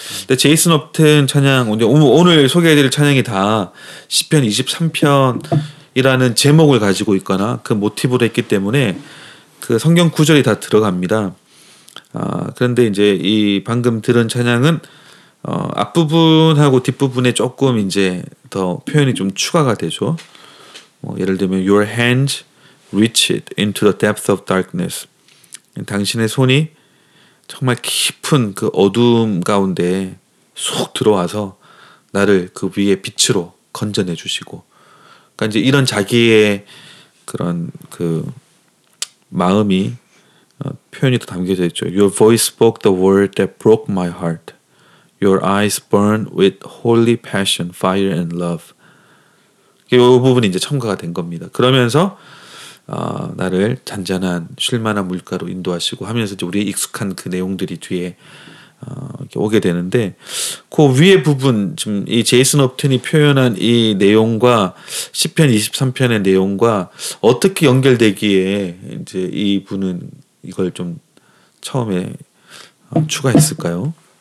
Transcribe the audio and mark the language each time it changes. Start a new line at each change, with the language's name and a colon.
Korean: 근데 제이슨 업튼 찬양 오늘 소개해드릴 찬양이 다 시편 23편 이라는 제목을 가지고 있거나 그 모티브로 했기 때문에 그 성경 구절이 다 들어갑니다. 그런데 이제 이 방금 들은 찬양은 앞부분하고 뒷부분에 조금 이제 더 표현이 좀 추가가 되죠. 예를 들면
English: Your hands reached into the depth of darkness.
Korean: 당신의 손이 정말 깊은 그 어둠 가운데 쏙 들어와서 나를 그 위에 빛으로 건져내 주시고. 그러니까 이제 이런 자기의 그런 그 마음이 표현이 또 담겨져 있죠.
English: Your voice spoke the word that broke my heart. Your eyes burn with holy passion, fire and love.
Korean: 이 부분이 이제 첨가가 된 겁니다. 그러면서 나를 잔잔한 쉴만한 물가로 인도하시고 하면서 이제 우리의 익숙한 그 내용들이 뒤에 이렇게 오게 되는데 그 위에 부분 지금 이 제이슨 업튼이 표현한 이 내용과 시편 23편의 내용과 어떻게 연결되기에 이제 이 분은 이걸 좀 처음에 추가했을까요?